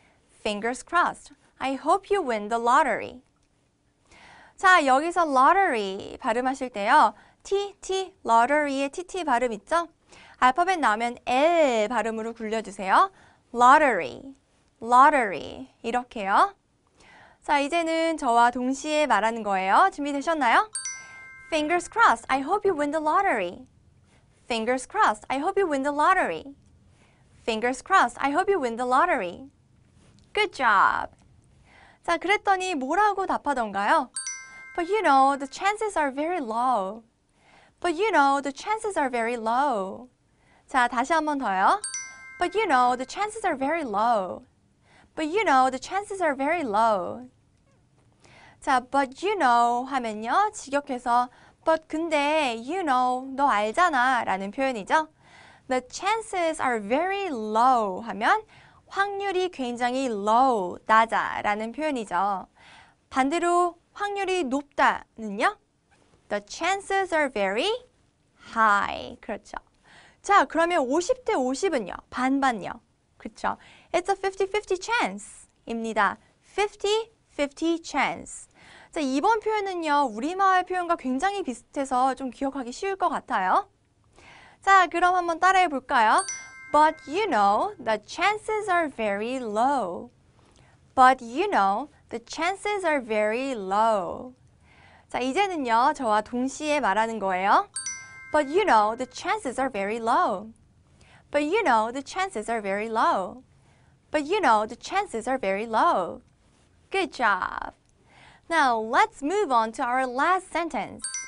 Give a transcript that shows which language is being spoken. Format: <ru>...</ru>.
<en>Fingers crossed. I hope you win the lottery.</en> <ko>자, 여기서 lottery 발음하실 때요. TT, lottery의 TT 발음 있죠? 알파벳 나오면 L 발음으로 굴려주세요.</ko> <en>Lottery, lottery</en> <ko>이렇게요. 자, 이제는 저와 동시에 말하는 거예요. 준비되셨나요?</ko> <en>Fingers crossed, I hope you win the lottery. Fingers crossed, I hope you win the lottery. Fingers crossed, I hope you win the lottery. Good job.</en> <ko>자, 그랬더니 뭐라고 답하던가요?</ko> <en>But you know, the chances are very low. But you know, the chances are very low.</en> <ko>자, 다시 한 번 더요.</ko> <en>But you know, the chances are very low. But you know, the chances are very low.</en> <ko>자,</ko> <en>but you know</en> <ko>하면요. 직역해서 but 근데 you know, 너 알잖아 라는 표현이죠.</ko> <en>The chances are very low</en> <ko>하면 확률이 굉장히 low, 낮아 라는 표현이죠. 반대로 확률이 높다는요.</ko> <en>The chances are very high.</en> <ko>그렇죠. 자, 그러면 50대 50은요? 반반요. 그렇죠.</ko> <en>It's a 50-50 chance</en> <ko>입니다.</ko> <en>50-50 chance.</en> <ko>자, 이번 표현은요. 우리말 표현과 굉장히 비슷해서 좀 기억하기 쉬울 것 같아요. 자, 그럼 한번 따라해 볼까요?</ko> <en>But you know, the chances are very low. But you know, the chances are very low.</en> <ko>자, 이제는요, 저와 동시에 말하는 거예요.</ko> <en>But you know, the chances are very low. But you know, the chances are very low. But you know, the chances are very low. Good job. Now, let's move on to our last sentence.</en>